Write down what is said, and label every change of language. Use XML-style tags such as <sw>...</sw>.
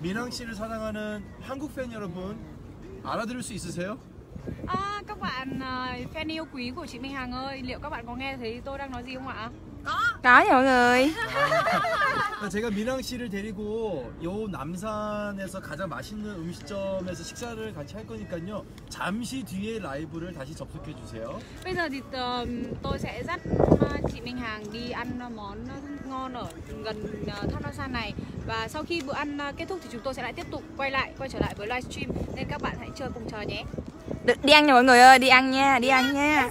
<ko>Xin 사랑하는 한국 팬 여러분 알아들을 수 있으세요?</ko> <vi>À, các bạn fan yêu quý của chị Minh Hằng ơi, liệu các bạn có nghe thấy tôi đang nói gì không ạ? Có. Có nhỉ mọi người.</vi> <ko>제가 민항 씨를 데리고 요 남산에서 가장 맛있는 음식점에서 식사를 같이 할 거니까요. 잠시 뒤에 라이브를 다시 접속해 주세요.</ko> <vi>Bây giờ thì tôi sẽ dắt chị Minh Hằng đi ăn món ngon ở gần Thammasan này. Và sau khi bữa ăn kết thúc thì chúng tôi sẽ lại tiếp tục quay trở lại với livestream. Nên các bạn hãy chờ cùng chờ nhé. Đi ăn nha mọi người ơi, đi ăn nha, đi ăn nha.</vi>